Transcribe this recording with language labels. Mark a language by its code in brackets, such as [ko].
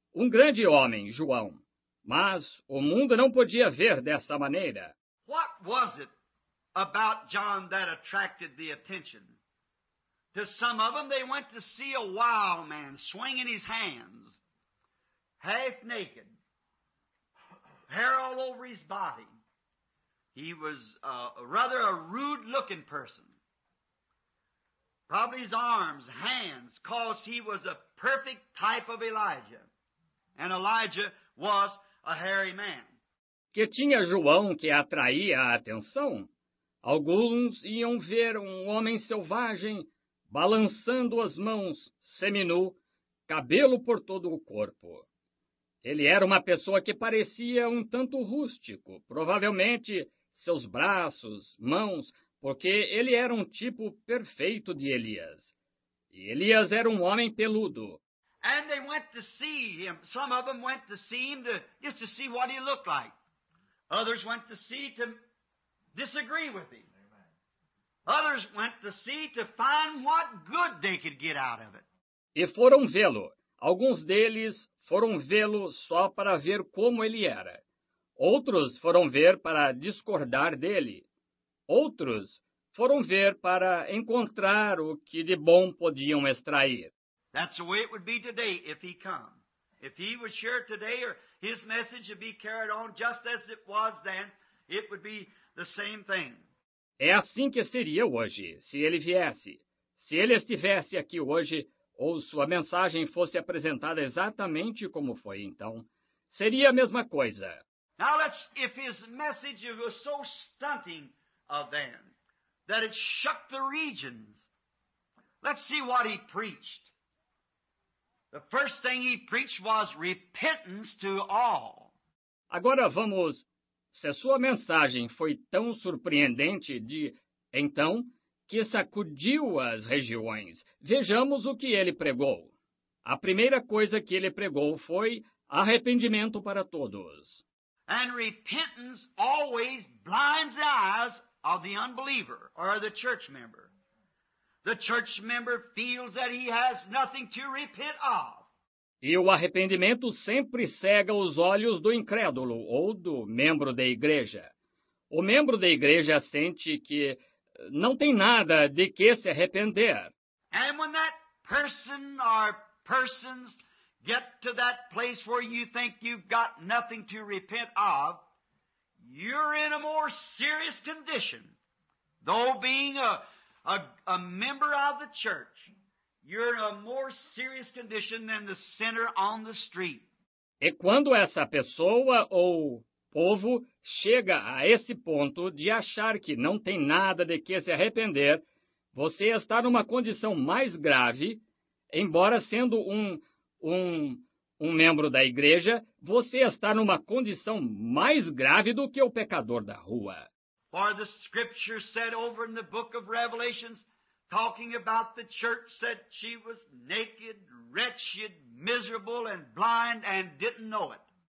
[pt] Grande homem, João. Mas o mundo não podia ver dessa maneira. [en] What was it about John that attracted the attention? To some of them, they went to see a wild man swinging his hands, half naked, hair all over his body, He was rather a rude-looking person. Probably his arms, hands, cause he was a perfect type of Elijah. And Elijah was a hairy man. [pt] Que tinha João que atraía a atenção? Alguns iam ver um homem selvagem, balançando as mãos, seminu, cabelo por todo o corpo. Ele era uma pessoa que parecia um tanto rústico, provavelmente seus braços, mãos, porque ele era um tipo perfeito de Elias. E Elias era um homem peludo. [en] And they went to see him. Some of them went to see him just to see what he looked like. Others went to see to disagree with him. Others went to see to find what good they could get out of it. [pt] E foram vê-lo. Alguns deles foram vê-lo só para ver como ele era. Outros foram ver para discordar dele. Outros foram ver para encontrar o que de bom podiam extrair. [en] That's the way it would be today if he come. If he would share today or his message would be carried on just as it was then, it would be the same thing. [pt] É assim que seria hoje, se ele viesse. Se ele estivesse aqui hoje, ou sua mensagem fosse apresentada exatamente como foi então, seria a mesma coisa. [en] Now let's, if his message was so stunting of then, that it shook the regions, let's see what he preached. The first thing he preached was repentance to all. [pt] Agora vamos... Se a sua mensagem foi tão surpreendente de então que sacudiu as regiões, vejamos o que ele pregou. A primeira coisa que ele pregou foi arrependimento para todos. [en] And repentance always blinds the eyes of the unbeliever or the church member. The church member feels that he has nothing to repent of. [pt] E o arrependimento sempre cega os olhos do incrédulo ou do membro da igreja. O membro da igreja sente que não tem nada de que se arrepender. [en] And when that person or persons get to that place where you think you've got nothing to repent of, you're in a more serious condition. Though being a member of the church, you're in a more serious condition than the sinner on the street. [pt] E quando essa pessoa ou povo chega a esse ponto de achar que não tem nada de que se arrepender, você está numa condição mais grave, embora sendo um membro da igreja, você está numa condição mais grave do que o pecador da rua. [en] For the scripture said over in the book of Revelations, talking about the church, said she was naked, wretched, miserable, and blind, and didn't know it.